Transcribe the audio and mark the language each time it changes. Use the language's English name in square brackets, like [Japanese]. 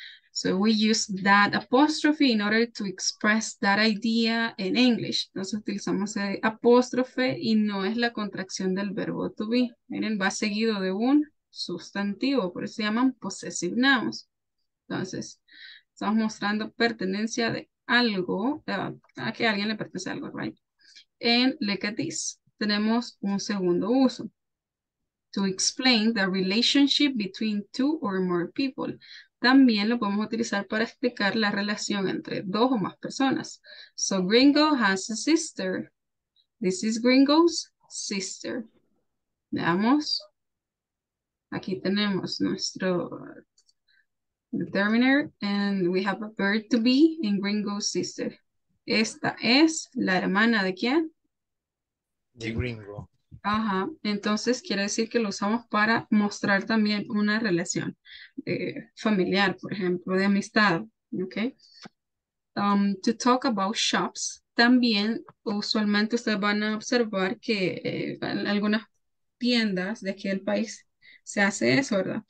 [English] So we use that apostrophe in order to express that idea in English. [Spanish] Entonces utilizamos el apóstrofe y no es la contracción del verbo to be. Miren, va seguido de un sustantivo, por eso se llaman possessive nouns. Entonces, estamos mostrando pertenencia de algo, a que alguien le pertenece a algo, right? [English] And look at this. [Spanish] Tenemos un segundo uso. [English] To explain the relationship between two or more people. [Spanish] También lo podemos utilizar para explicar la relación entre dos o más personas. [English] So gringo has a sister. This is gringo's sister. Veamos. [Spanish] Aquí tenemos nuestro determiner. [English] And we have a verb to be in gringo's sister. [Spanish] Esta es la hermana de quién? De gringo. Ajá, entonces quiere decir que lo usamos para mostrar también una relación familiar, por ejemplo, de amistad, ¿ok? [English] To talk about shops, [Spanish] también usualmente ustedes van a observar que en algunas tiendas de aquí del país se hace eso, ¿verdad?